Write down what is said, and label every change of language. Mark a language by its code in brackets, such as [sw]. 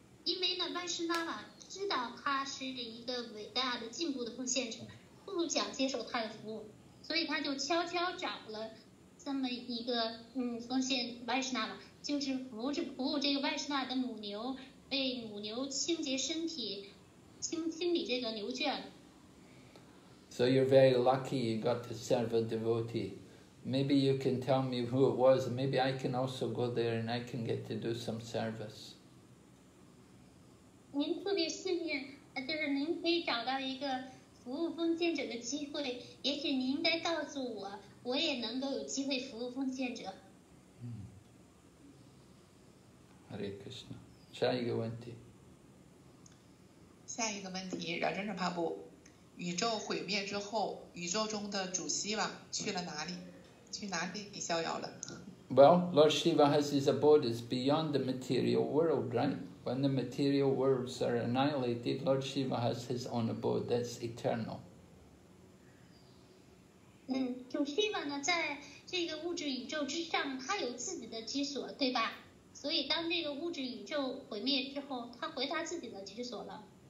[zh] 因为呢 ，Vaishnava 知道他是一个伟大的进步的奉献者，不想接受他的服务，所以他就悄悄找了这么一个奉献 Vaishnava， 就是服务这个 Vaishnava 的母牛，为母牛清洁身体，清理这个牛圈。 [en] So you're very lucky you got to serve a devotee. Maybe you can tell me who it was, and maybe I can also go there and I can get to do some service. [zh] 您特别幸运，就是您可以找到一个服务奉献者的机会，也许您应该告诉我，我也能够有机会服务奉献者。 Hare Krishna. 下一个问题。下一个问题，饶真正帕布。宇宙毁灭之后，宇宙中的主希瓦去了哪里？去哪里逍遥了 [en] ？Well, Lord Shiva has his abode is beyond the material world, right? When the material worlds are annihilated, Lord Shiva has his own abode. That's eternal. [zh] 主希瓦呢，在这个物质宇宙之上，他有自己的居所，对吧？所以当这个物质宇宙毁灭之后，他回他自己的居所了。